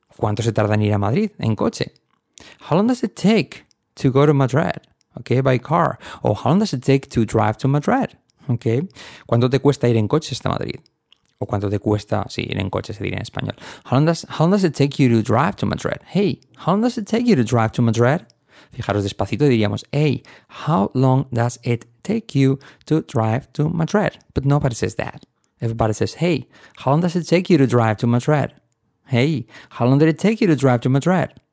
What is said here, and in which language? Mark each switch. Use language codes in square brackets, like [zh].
[es] ¿Cuánto se tarda en ir a Madrid en coche? [en] How long does it take to go to Madrid, okay, by car? Or how long does it take to drive to Madrid? Okay. [es] ¿Cuánto te cuesta ir en coche hasta Madrid? O cuánto te cuesta, sí, ir en coche se diría en español. [en] How long does it take you to drive to Madrid? Hey, how long does it take you to drive to Madrid? [es] Fijaros despacito, diríamos, [en] hey, how long does it take you to drive to Madrid? But nobody says that. Everybody says, hey, how long does it take you to drive to Madrid? Hey, how long did it take you to drive to Madrid?